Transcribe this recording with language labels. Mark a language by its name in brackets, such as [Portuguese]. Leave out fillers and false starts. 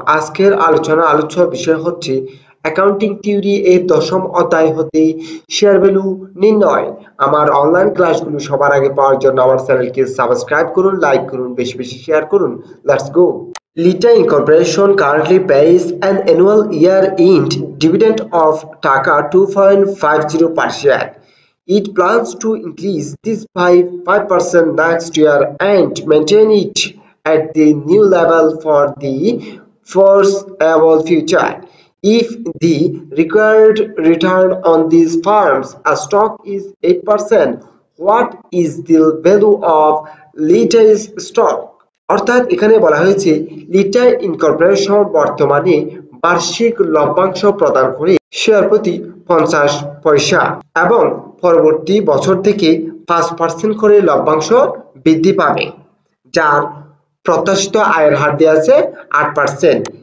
[Bangla] আজকের আলোচনা আলোচ্য বিষয় হচ্ছে অ্যাকাউন্টিং থিওরি এর দশম অধ্যায় হতে শেয়ার ভ্যালু নির্ণয়। আমার অনলাইন ক্লাসগুলো সবার আগে পাওয়ার জন্য আমার চ্যানেলকে সাবস্ক্রাইব করুন, লাইক করুন, বেশি বেশি শেয়ার করুন। [English] Let's go. Lita incorporation currently pays an annual year end dividend of taka 2.50 per share. It plans to increase this by 5% next year and maintain it at the new level for the foreseeable future. If the required return on these firms a stock is 8%, what is the value of Lita's stock? [Bangla] অর্থাৎ এখানে বলা হয়েছে লিটা incorporation বর্তমানে বার্ষিক লভ্যাংশ প্রদান করে share প্রতি 50 পয়সা, এবং পরবর্তী বছর থেকে 5% করে লভ্যাংশ বৃদ্ধি পাবে, যার প্রত্যাশিত আয়ের হার দিয়ে আছে 8%।